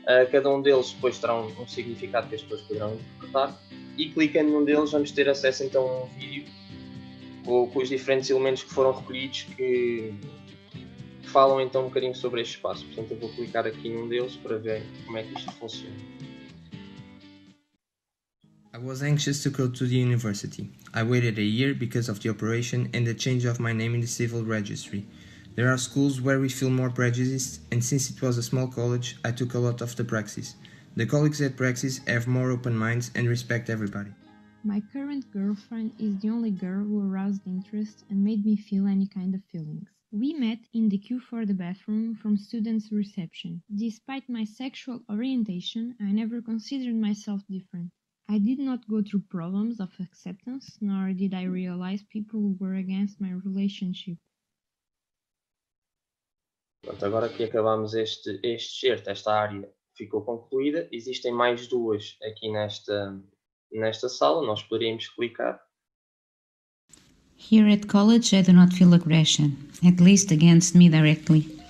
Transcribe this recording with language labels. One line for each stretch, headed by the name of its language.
Portuguese: Cada um deles depois terá um significado que as pessoas poderão interpretar. E clicando num deles, vamos ter acesso então a um vídeo com os diferentes elementos que foram recolhidos, que falam então um bocadinho sobre este espaço. Portanto, eu vou clicar aqui num deles para ver como é que isto funciona.
English: I was anxious to go to the university. I waited a year because of the operation and the change of my name in the civil registry. There are schools where we feel more prejudiced, and since it was a small college, I took a lot of the praxis. The colleagues at praxis have more open minds and respect everybody. My current girlfriend is the only girl who aroused interest and made me feel any kind of feelings. We met in the queue for the bathroom from students' reception. Despite my sexual orientation, I never considered myself different. I did not go through problems of acceptance, nor did I realize people were against my relationship.
Portuguese: Pronto, agora que acabamos este excerto, esta área ficou concluída. Existem mais 2 aqui nesta sala, nós poderíamos clicar.
English: Here at college I do not feel aggression, at least against me directly.